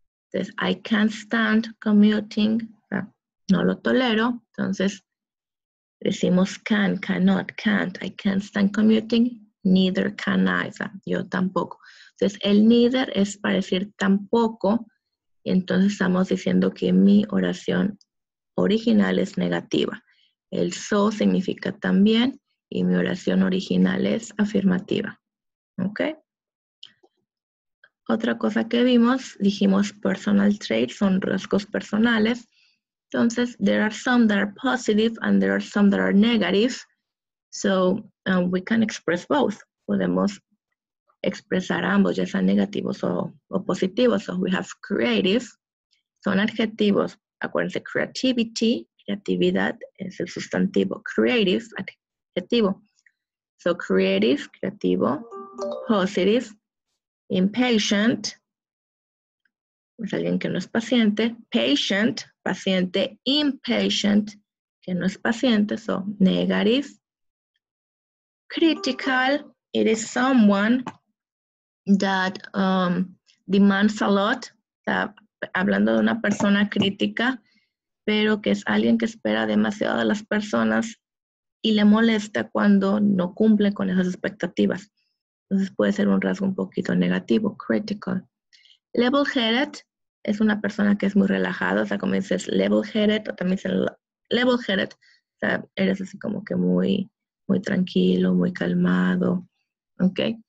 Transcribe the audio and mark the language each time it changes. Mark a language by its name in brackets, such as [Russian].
[Spanish] Entonces, [English] I can't stand commuting, [Spanish] o sea, no lo tolero, entonces decimos can, cannot, can't, I can't stand commuting. [English] Neither can I, [Spanish] yo tampoco. Entonces, el neither es para decir tampoco. Entonces, estamos diciendo que mi oración original es negativa. El so significa también y mi oración original es afirmativa. ¿Ok? Otra cosa que vimos, dijimos personal traits, son rasgos personales. [English] Entonces, there are some that are positive and there are some that are negative. So, we can express both. Podemos [Spanish] expresar ambos, ya sean negativos o positivos. [English] So we have creative, [Spanish] son adjetivos. Acuérdense, creativity, creatividad es el sustantivo. Creative, adjetivo. So creative, creativo. Positive, impatient, es alguien que no es paciente. Patient, paciente. Impatient, que no es paciente. [English] So negative. Critical, it is someone that demands a lot. [Spanish] Está hablando de una persona crítica, pero que es alguien que espera demasiado de las personas y le molesta cuando no cumple con esas expectativas. Entonces puede ser un rasgo un poquito negativo, critical. Level-headed, es una persona que es muy relajada, o sea, como dices level-headed, o también dicen level-headed, o sea, eres así como que muy, muy tranquilo, muy calmado, ¿ok?